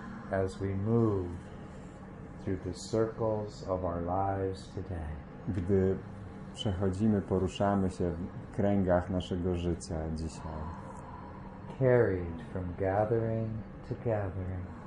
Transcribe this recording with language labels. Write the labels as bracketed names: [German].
[English] As we move through the circles of our lives today. [Polish] Gdy przechodzimy, poruszamy się w kręgach naszego życia dzisiaj. [English] Carried from gathering to gathering.